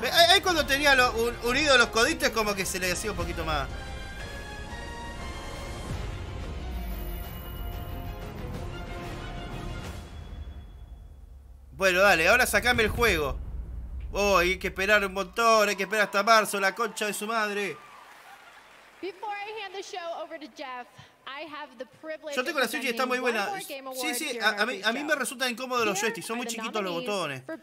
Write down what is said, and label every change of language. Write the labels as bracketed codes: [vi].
[es] Ahí cuando tenía unido los coditos, como que se le hacía un poquito más. Bueno, dale, ahora sacame el juego. Oh, hay que esperar un montón, hay que esperar hasta marzo, la concha de su madre. [en] Before I hand the show over to Jeff, I have the privilege. [es] Yo tengo la Switch y está muy buena. Sí, sí, a mí me resultan incómodos los joysticks, son muy chiquitos los botones.